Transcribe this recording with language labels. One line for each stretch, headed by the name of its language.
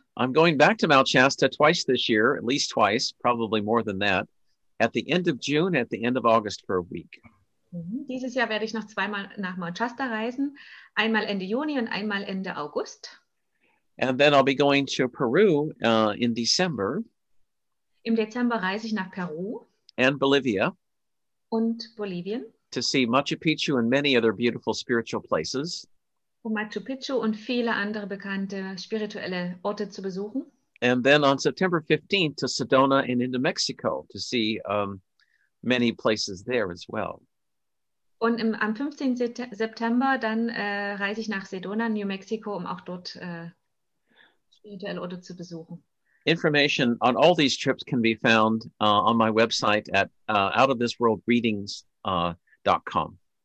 English: I'm going back to Mount Shasta twice this year, at least twice, probably more than that, at the end of June, at the end of August for a week.
German: Dieses Jahr werde ich noch zweimal nach Mount Shasta reisen, einmal Ende Juni und einmal Ende August.
English: And then I'll be going to Peru in December.
German: Im Dezember reise ich nach Peru.
English: And Bolivia.
German: Und Bolivien.
English: To see Machu Picchu and many other beautiful spiritual places.
German: Um Machu Picchu und viele andere bekannte spirituelle Orte zu besuchen.
English: And then on September 15th to Sedona and into Mexico to see many places there as well.
German: Und am 15. September dann reise ich nach Sedona, New Mexico, um auch dort spirituelle Orte zu besuchen.
English: Information on all these trips can be found on my website at outofthisworldreadings.com.